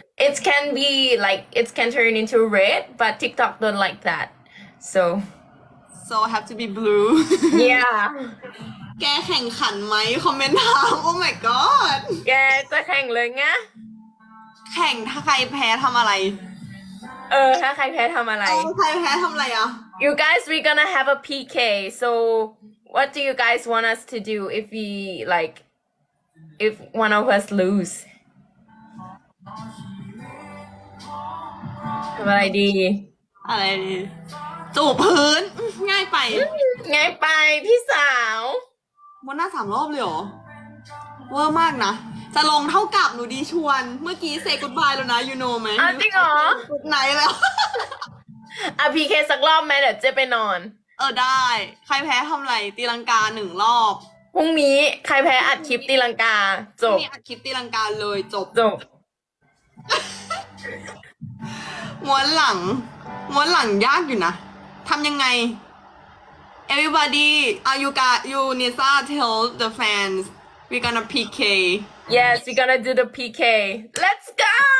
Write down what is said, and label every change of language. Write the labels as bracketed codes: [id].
[en] It can be like it can turn into red, but TikTok don't like that. So I have to be blue. Yeah. [th] แกแข่งขันไหมคอมเมนต์ถาม [en] Oh my god. [th] แกจะแข่งเลยไง แข่งถ้าใครแพ้ทำอะไร เออถ้าใครแพ้ทำอะไร ใครแพ้ทำอะไรอ่ะ [en] You guys, we're gonna have a PK. So what do you guys want us to do if we like if one of us lose? [th] ทำอะไรดี อะไรดีจูบพื้นง่ายไป ง่ายไปพี่สาว มันน่าสามรอบเลยเหรอเวอร์มากนะจะลงเท่ากับหนูดีชวนเมื่อกี้เซกูดบายแล้วนะยูโน่ไหม จริงเหรอ ไหนแล้ว อะพีเคสักรอบไหมเดี๋ยวเจ๊ไปนอน เออได้ใครแพ้ทำไรตีลังกาหนึ่งรอบ พรุ่งนี้ใครแพ้อัดคลิปตีลังกาจบ พรุ่งนี้อัดคลิปตีลังกาเลย จบ ม้วนหลังยากอยู่นะทำยังไง [en] Everybody are you guys you Nesa tell the fans we're gonna PK Yes we're gonna do the PK Let's go